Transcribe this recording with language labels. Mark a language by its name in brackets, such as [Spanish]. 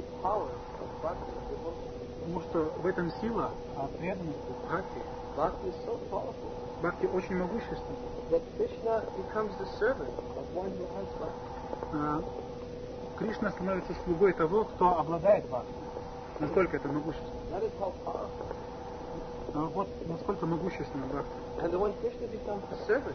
[Russian] Потому что в этом сила преданности, бхакти. [English] Bhakti is so powerful. [Russian] Бхакти очень могущественный. [English] That Krishna becomes the servant of one who has bhakti. [Russian] Кришна становится слугой того, кто обладает бхакти. Насколько это могущественно? Вот насколько могущественно бхакти.